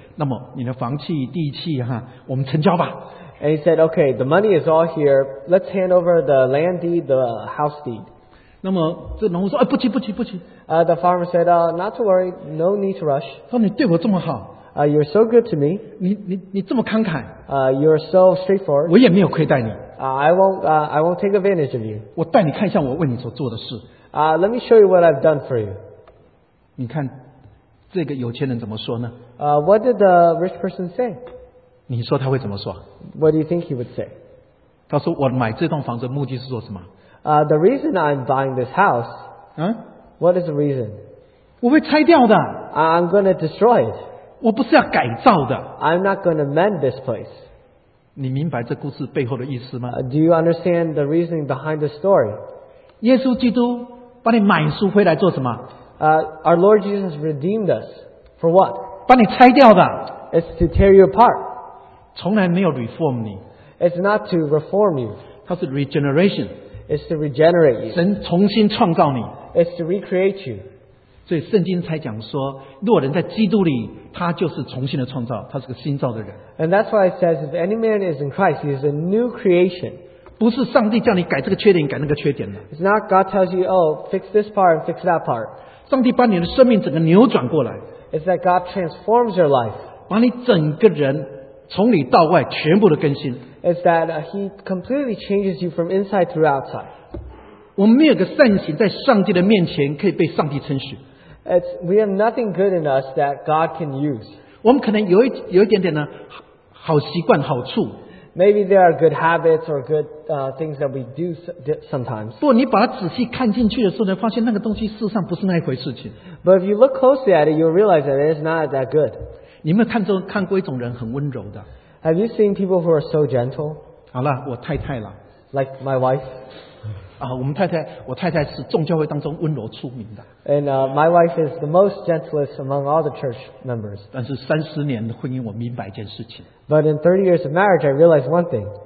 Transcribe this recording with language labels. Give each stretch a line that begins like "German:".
Chinese: 然后就说，好，你所要的钱都在这里，那么你的房契、地契，我们成交吧。
English: And he said, okay, the money is all here. Let's hand over the land deed, the house deed.
Chinese: 那么这农户说，哎，不急。
English: The farmer said, not to worry, no need to rush.
Chinese: 说你对我这么好。
English: You're so good to me.
Chinese: 你这么慷慨。
English: You're so straightforward.
Chinese: 我也没有亏待你。
English: I won't take advantage of you.
Chinese: 我带你看一下我为你所做的事。
English: Let me show you what I've done for you.
Chinese: 你看。这个有钱人怎么说呢?
English: What did the rich person say?
Chinese: 你说他会怎么说?
English: What do you think he would say?
Chinese: 他说我买这栋房子的目的是做什么?
English: The reason I'm buying this house, what is the reason?
Chinese: 我会拆掉的!
English: I'm going to destroy it.
Chinese: 我不是要改造的!
English: I'm not going to mend this place.
Chinese: 你明白这故事背后的意思吗?
English: Do you understand the reasoning behind the story?
Chinese: 耶稣基督把你买赎回来做什么?
English: Our Lord Jesus redeemed us. For what?
Chinese: 把你拆掉的,
English: it's to tear you apart.
Chinese: 从来没有reform你,
English: it's not to reform you.
Chinese: 它是regeneration.
English: It's to regenerate you.
Chinese: 神重新创造你,
English: it's to recreate you.
Chinese: 所以圣经才讲说, 若人在基督里, 他就是重新的创造, 他是个新造的人。
English: And that's why it says, if any man is in Christ, he is a new creation.
Chinese: 不是上帝叫你改这个缺点, 改那个缺点的。
English: It's not God tells you, oh, fix this part and fix that part.
Chinese: 上帝把你的生命整个扭转过来,
English: it's that God transforms your life.
Chinese: 把你整个人从里到外,
English: it's that He completely changes you from inside through outside.
Chinese: 我们没有个善行在上帝的面前可以被上帝称许,
English: we have nothing good in us that God can use.
Chinese: 我们可能有一点点的 好习惯好处,
English: maybe there are good habits or good things that we do sometimes.
Chinese: 不，你把它仔细看进去的时候呢，发现那个东西事实上不是那一回事情。
English: But if you look closely at it, you'll realize that it's not that good.
Chinese: 你有没有看过一种人很温柔的？
English: Have you seen people who are so gentle?
Chinese: 好了，我太太了。
English: Like my wife.
Chinese: 啊，我们太太，我太太是众教会当中温柔出名的。
English: And my wife is the most gentlest among all the church members.
Chinese: 但是30年的婚姻，我明白一件事情。
English: But in 30 years of marriage, I realized one thing.